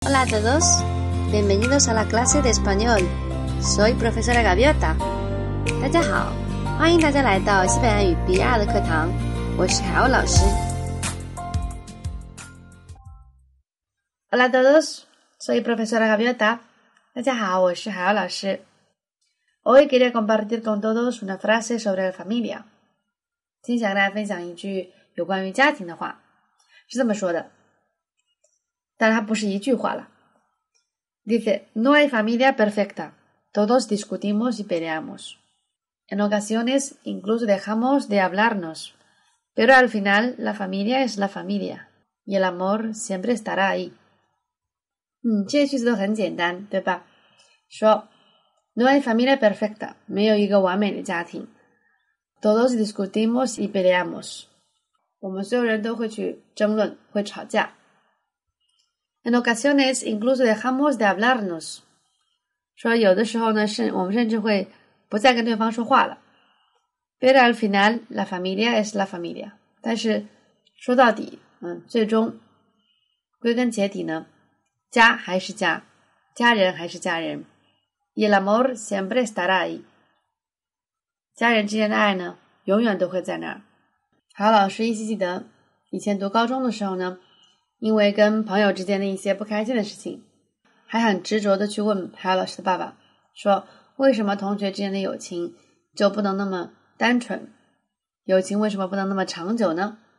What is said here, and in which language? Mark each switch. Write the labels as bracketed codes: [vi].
[es] Hola a todos, bienvenidos a la clase de español. Soy profesora Gaviota. [zh] 大家好，欢迎大家来到西班牙语 B2 的课堂，我是海鸥老师。 [es] Hola a todos, soy profesora Gaviota. [zh] 大家好，我是海鸥老师。 [es] Hoy quería compartir con todos una frase sobre la familia. [zh] 今天想跟大家分享一句有关于家庭的话，是这么说的。但它不是一句话了。 [es] Dice, no hay familia perfecta. Todos discutimos y peleamos. En ocasiones incluso dejamos de hablarnos. Pero al final la familia es la familia. Y el amor siempre estará ahí. [zh] 这句子都很简单，对吧？ [es] 说 No hay familia perfecta. [zh] 没有一个完美的家庭。 [es] Todos discutimos y peleamos. [zh] 我们所有人都会去争论，会吵架。 [es] En ocasiones incluso dejamos de hablarnos. [zh] 说有的时候呢，我们甚至会不再跟对方说话了。 [es] Pero al final, la familia es la familia. [zh] 但是说到底，最终归根结底呢，家还是家，家人还是家人。 [es] Y el amor siempre estará ahí. [zh] 家人之间的爱呢，永远都会在那儿。好，老师依稀记得以前读高中的时候呢，因为跟朋友之间的一些不开心的事情，还很执着地去问海鸥老师的爸爸，说为什么同学之间的友情就不能那么单纯，友情为什么不能那么长久呢？